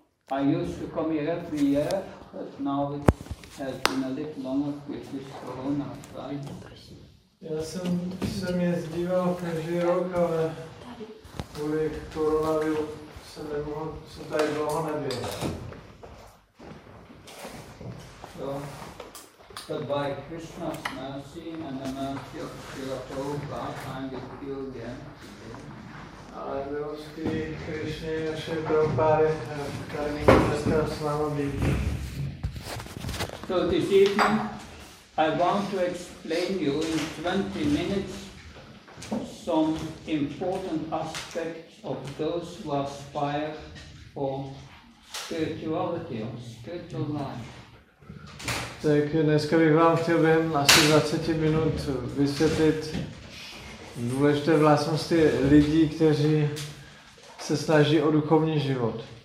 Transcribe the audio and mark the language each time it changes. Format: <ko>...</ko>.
<en>I used to come here every year, but now it has been a little longer with this corona, right?</en> <cs>Já jsem se jezdíval každý rok, ale kvůli koronaviru jsem nemohl, jsem tady dlouho nebyl.</cs> <en>So, but by Krishna's mercy and the mercy of Srila Prabhupada, I'm with you again.</en> <cs>Ale milosti Krishna je naše Prabhupada, tady nikdo dneska s náma být.</cs> <en>So this evening, I want to explain you in 20 minutes some important aspects of those who aspire for spirituality or spiritual life.</en> <cs>Tak dneska bych vám chtěl během asi 20 minut vysvětlit důležité vlastnosti lidí, kteří se snaží o duchovní život.</cs>